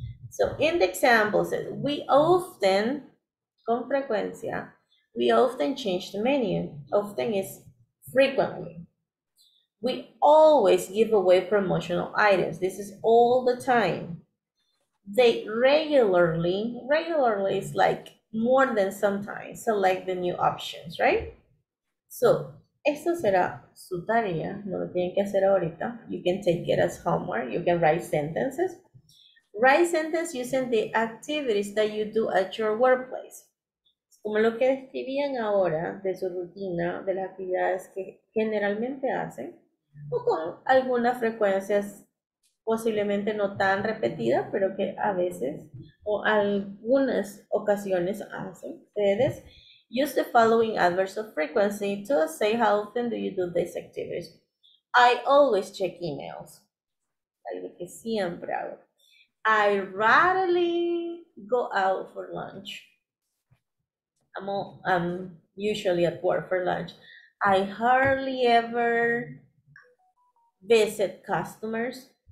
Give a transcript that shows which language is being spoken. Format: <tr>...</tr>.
<en>So in the example says, we often,</en> <es>con frecuencia,</es> <en>we often change the menu. Often is frequently. We always give away promotional items. This is all the time. They regularly is like more than sometimes, select the new options, right?</en> <es>So, esto será su tarea, no lo tienen que hacer ahorita.</es> <en>You can take it as homework, you can write sentences. Write sentences using the activities that you do at your workplace.</en> <es>Como lo que escribían ahora de su rutina, de las actividades que generalmente hacen, o con algunas frecuencias posiblemente no tan repetida, pero que a veces o algunas ocasiones hacen ustedes.</es> <en>Use the following adverbs of frequency to say how often do you do these activities. I always check emails.</en> <es>Algo que siempre hago.</es> <en>I rarely go out for lunch. I'm usually at work for lunch. I hardly ever visit customers.</en>